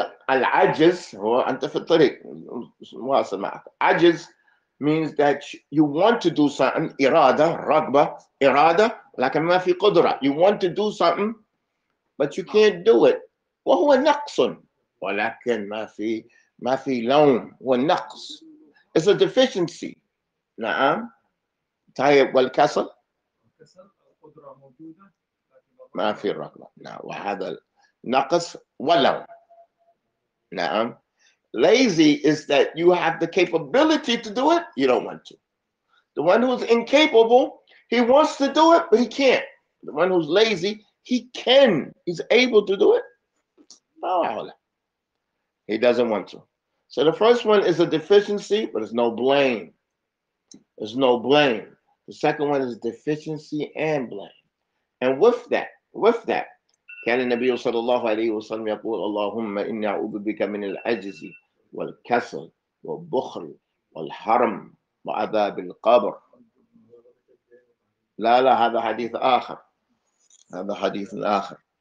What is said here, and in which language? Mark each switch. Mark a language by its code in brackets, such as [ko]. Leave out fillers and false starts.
[ar] العجز هو أنت في الطريق واصل معك. عجز [en] means that you want to do something [ar] إرادة رغبة إرادة لكن ما في قدرة. [en] You want to do something but you can't do it. [ar] وهو نقص ولكن ما في لوم هو نقص. [en] It's a deficiency. [ar] نعم. طيب والكسل. القدرة موجودة. ما في الرغبة. نعم وهذا نقص ولو. نعم. [en] Lazy is that you have the capability to do it, you don't want to. The one who's incapable, he wants to do it, but he can't. The one who's lazy, he can. He's able to do it. He doesn't want to. So the first one is a deficiency, but it's no blame. There's no blame. The second one is deficiency and blame. And with that, with that, [ar] كان النبي صلى الله عليه وسلم يقول اللهم إني أعوذ بك من العجز والكسل والبخل والحرم وعذاب القبر. لا لا هذا حديث آخر. هذا حديث آخر.